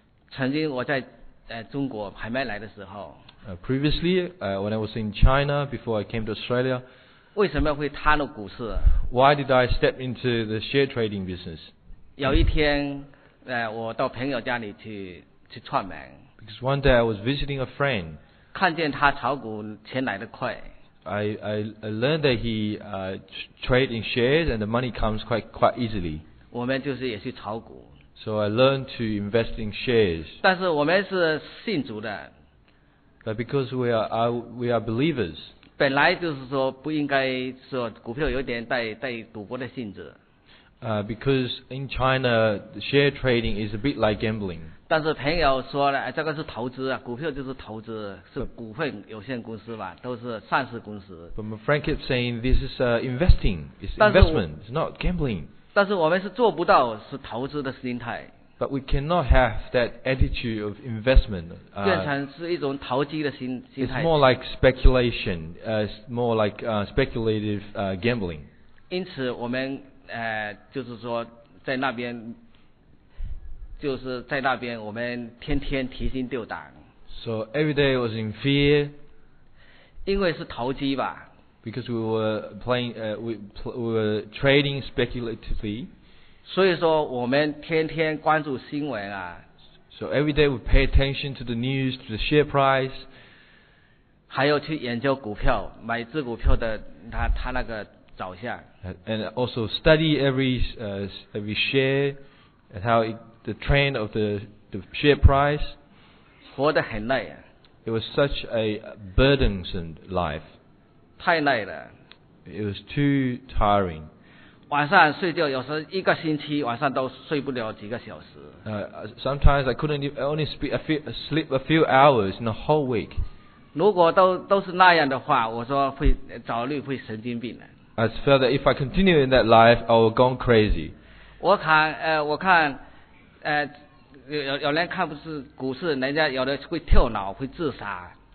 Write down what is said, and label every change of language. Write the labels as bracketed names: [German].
[Chinese] 曾经我在中国还没来的时候。 [English] Previously, when I was in China before I came to Australia. [Chinese] 为什么会踏入股市？ [English] Why did I step into the share trading business? [Chinese] 有一天，我到朋友家里去串门。 [English] Because one day I was visiting a friend. [Chinese] 看见他炒股钱来得快。 [English] I learned that he trade in shares and the money comes quite easily. [Chinese] 我们就是也去炒股。 [English] So I learned to invest in shares. [Chinese] 但是我们是信主的。 [English] But because we are believers. [Chinese] 本来就是说不应该说股票有点带赌博的性质。 [English] Because in China, share trading is a bit like gambling. [Chinese] 但是朋友说了，这个是投资啊，股票就是投资，是股份有限公司吧，都是上市公司。 [English] But my friend kept saying this is investing, it's investment, it's not gambling. [Chinese] 但是我们是做不到是投资的心态。 [English] But we cannot have that attitude of investment. [Chinese] 变成是一种投机的心态。 [English] It's more like speculation, more like speculative gambling. [Chinese] 因此我们就是说在那边，就是在那边我们天天提心吊胆。 [English] So every day I was in fear. [Chinese] 因为是投机吧。 [English] Because we were playing, we were trading speculatively. [Chinese] 所以说我们天天关注新闻啊。 [English] So every day we pay attention to the news, to the share price. [Chinese] 还有去研究股票，买只股票的它那个走向。 [English] And also study every share and how the trend of the share price. [Chinese] 活得很累啊。 [English] It was such a burdensome life. [Chinese] 太累了。 [English] It was too tiring. [Chinese] 晚上睡觉有时一个星期晚上都睡不了几个小时。 [English] Sometimes I couldn't only sleep a few hours in a whole week. [Chinese] 如果都是那样的话，我说会早日会神经病了。 [English] I felt that if I continue in that life, I will go crazy. [Chinese] 我看有人看不是股市，人家有的会跳楼，会自杀。